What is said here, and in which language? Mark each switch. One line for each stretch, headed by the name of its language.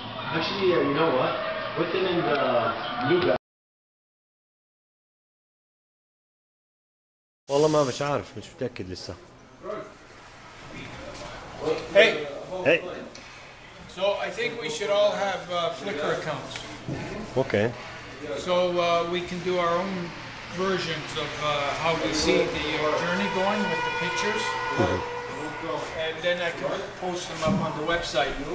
English: actually you know what put them in the blue bag.
Arabic: والله ما مش عارف مش متأكد لسه.
English: Hey. So I think we should all have Flickr accounts. Okay. So we can do our own versions of how we see the journey going with the pictures. Mm-hmm. And then I can post them up on the website.